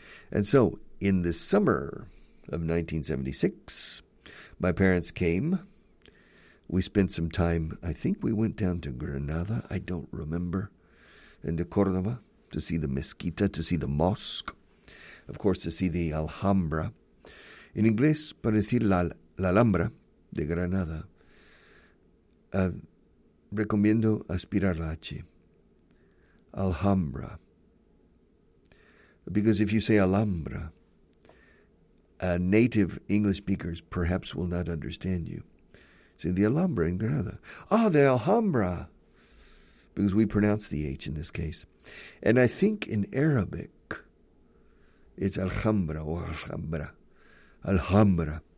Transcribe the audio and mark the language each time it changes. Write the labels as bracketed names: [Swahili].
[English] And so in the summer of 1976, my parents came. We spent some time, I think we went down to Granada, I don't remember, and to Cordoba to see the mezquita, to see the mosque, of course, to see the Alhambra. In English, [Spanish] para decir la Alhambra de Granada, recomiendo aspirar la H, Alhambra. [English] Because if you say Alhambra, native English speakers perhaps will not understand you. See, the Alhambra in Granada. Ah, the Alhambra. Because we pronounce the H in this case. And I think in Arabic, it's Alhambra or Alhambra. Alhambra.